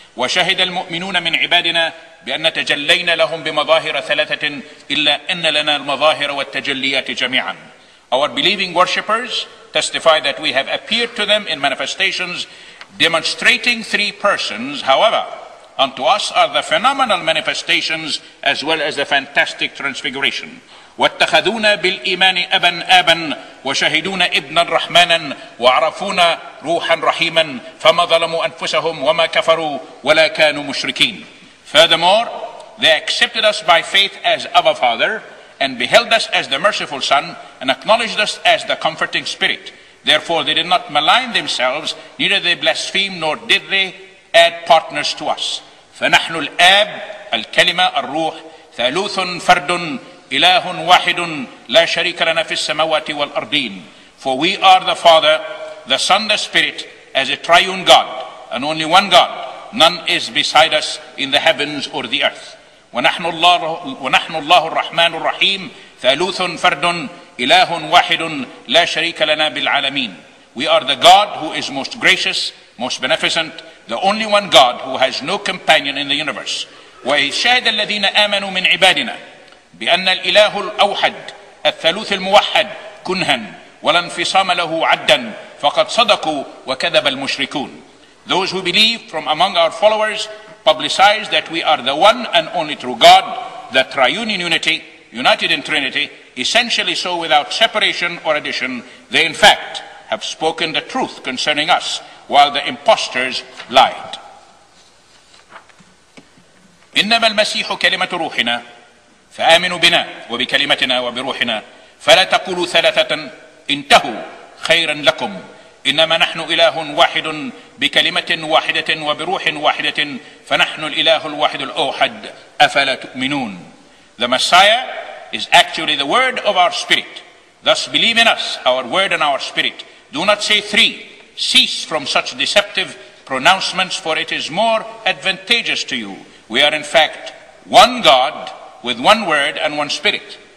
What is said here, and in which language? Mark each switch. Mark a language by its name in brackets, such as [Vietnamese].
[Arabic] وَشَهِدَ الْمُؤْمِنُونَ مِنْ عِبَادِنَا بِأَنَّ تَجَلَّيْنَا لَهُمْ بِمَظَاهِرَ ثَلَاثَةٍ إِلَّا أَنَّ لَنَا الْمَظَاهِرَ وَالتَّجَلِّيَاتِ جَمِيعًا. [English] Our believing worshippers testify that we have appeared to them in manifestations demonstrating three persons. However, unto us are the phenomenal manifestations as well as the fantastic transfiguration. [Arabic] واتخذونا بالإيمان أبا آبا وشهدونا ابنا رحمانا وعرفونا روحا رحيما فما ظلموا أنفسهم وما كفروا ولا كانوا مشركين. [English] Furthermore, they accepted us by faith as our Father and beheld us as the merciful Son and acknowledged us as the comforting Spirit. Therefore, they did not malign themselves, neither they blaspheme, nor did they add partners to us. [Arabic] فنحن الآب الكلمة الروح ثالوث فرد إله واحد لا شريك لنا في السماوات والأرضين. [English] For we are the Father, the Son, the Spirit, as a triune God, and only one God. None is beside us in the heavens or the earth. [Arabic] ونحن الله الرحمن الرحيم ثالوث فرد إله واحد لا شريك لنا بالعالمين. [English] We are the God who is most gracious, most beneficent, the only one God who has no companion in the universe. [Arabic] وشهد الذين آمنوا من عبادنا بأن الإله الأوحد الثالوث الموحد كنها ولا انفصام له عدا فقد صدقوا وكذب المشركون. [English] Those who believe from among our followers publicize that we are the one and only true God, the triune in unity, united in Trinity, essentially so without separation or addition. They in fact have spoken the truth concerning us, while the impostors lied. [Arabic] إنما المسيح كلمة روحنا فآمنوا بنا وبكلمتنا وبروحنا فلا تقولوا ثلاثة انتهوا خيرا لكم إنما نحن إله واحد بكلمة واحدة وبروح واحدة فنحن الإله الواحد الأوحد أفلا تؤمنون. [English] The Messiah is actually the word of our spirit. Thus believe in us, our word and our spirit. Do not say three. Cease from such deceptive pronouncements, for it is more advantageous to you. We are in fact one God with one word and one spirit.